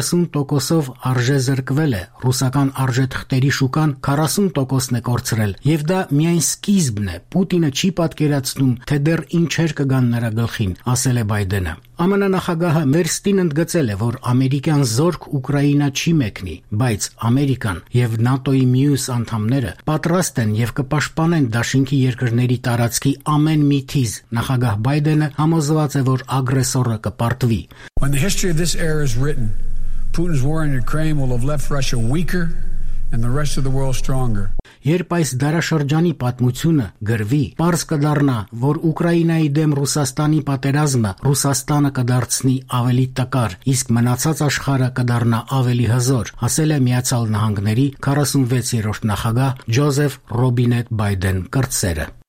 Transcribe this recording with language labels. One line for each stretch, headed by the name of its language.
Armenian: 30%-ով արժե զրկվել է, ռուսական արժեթղթերի շուկան 40%-ն է կորցրել, եւ դա միայն սկիզբն է։ Պուտինը չի պատկերացնում, թե դեռ ինչեր կգան նրա գլխին, ասել է Բայդենը։ ԱՄՆ նախագահը մեր ստին ընդգծել է, որ ամերիկյան զորք Ուկրաինա չի մեկնի, բայց Ամերիկան եւ ՆԱՏՕ-ի մյուս անդամները պատրաստ են եւ կպաշտպանեն Դաշինքի երկրների տարածքի ամեն մի թիզ։ Նախագահ Բայդենը համոզված է, որ ագրեսորը կպարտվի։
English: When the history of this era is written, Putin's war in Ukraine will have left Russia weaker and the rest of the world stronger.
Armenian: Երբ այս դարաշրջանի պատմությունը գրվի, պարզ կդառնա, որ Ուկրաինայի դեմ Ռուսաստանի պատերազմը Ռուսաստանը կդարձնի ավելի տկար, իսկ մնացած աշխարհը կդառնա ավելի հզոր, ասել է Միացյալ Նահանգների 46-րդ նախագահ Ջոզեֆ Ռոբինետ Բայդեն կրտսերը։